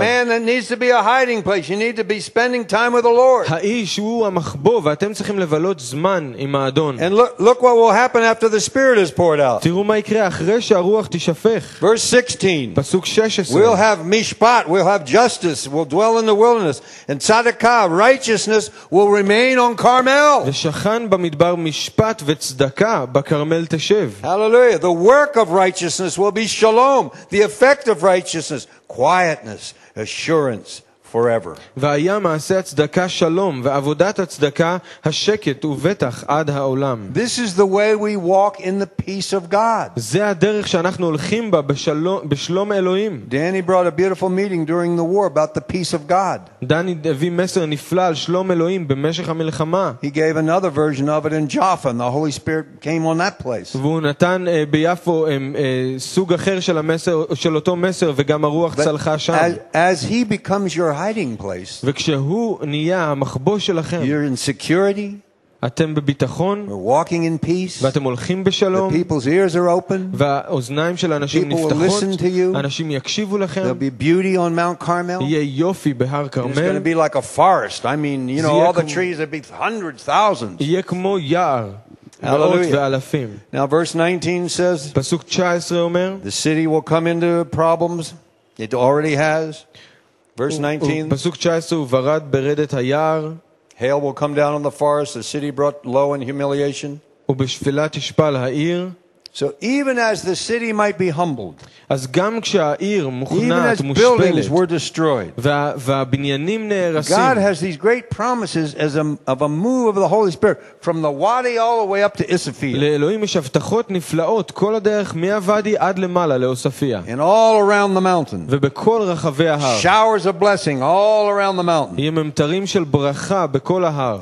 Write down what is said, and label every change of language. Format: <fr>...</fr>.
<en>The man that needs to be a hiding place, you need to be spending time with the Lord.</en> <he>האיש הוא המחבוא, ואתם צריכים לבלות זמן עם האדון.</he> <en>And look what will happen after the Spirit is poured out.</en> <he>תראו מה יקרה אחרי שהרוח תשפך.</he> <en>Verse 16.</en> <he>פסוק 16.</he> <en>We'll have mishpat, we'll have justice, we'll dwell in the wilderness, and tzedakah, righteousness, will remain on Carmel.</en> <he>ושכן במדבר משפט וצדקה בקרמל תשב.</he> <en>Hallelujah. The work of righteousness will be shalom. The effect of righteousness, quietness, assurance. Forever.</en> <he>והיה מעשה הצדקה שלום ועבודת הצדקה השקט ובטח עד העולם.</he> <en>This is the way we walk in the peace of God.</en> <he>זה הדרך שאנחנו הולכים בה בשלום אלוהים.</he> <en>Danny brought a beautiful meeting during the war about the peace of God.</en> <he>דני הביא מסר נפלא על שלום אלוהים במשך המלחמה.</he> <en>He gave another version of it in Jaffa and the Holy Spirit came on that place.</en> <he>והוא נתן ביפו סוג אחר של המסר של אותו מסר וגם הרוח צלחה שם.</he> <en>As he becomes your hiding place.</en> <he>וכשהוא נהיה המחבוא שלכם.</he> <en>You're in security.</en> <he>אתם בביטחון.</he> <en>You're walking in peace.</en> <he>ואתם הולכים בשלום.</he> <en>The people's ears are open.</en> <he>והאוזניים של אנשים נפתחות.</he> <en>People will listen to you.</en> <he>אנשים יקשיבו לכם.</he> <en>There'll be beauty on Mount Carmel.</en> <he>יהיה יופי בהר כרמל.</he> <en>It's going to be like a forest. I mean, you know, all the trees would be hundreds, thousands.</en> <he>יהיה כמו יער.</he> <en>Hallelujah. Now verse 19 says.</en> <he>פסוק 19 אומר.</he> <en>The city will come into problems. It already has. Verse 19.</en> <he>פסוק 19 ורד ברדת היער.</he> <en>Hail will come down on the forest, the city brought low in humiliation.</en> <he>ובשפלה תשפל העיר.</he> <en>So even as the city might be humbled.</en> <he>אז גם כשהעיר מוכנעת</he> <en>Even as buildings were destroyed.</en> <he>והבניינים נהרסים.</he> <en>God has these great promises as of a move of the Holy Spirit from the wadi all the way up to Isafia.</en> <he>לאלוהים יש הבטחות נפלאות כל הדרך מהוואדי עד למעלה לאוספיה.</he> <en>And all around the mountain.</en> <he>ובכל רחבי ההר.</he> <en>Showers of blessing all around the mountain.</en> <he>יהיו ממטרים של ברכה בכל ההר.</he>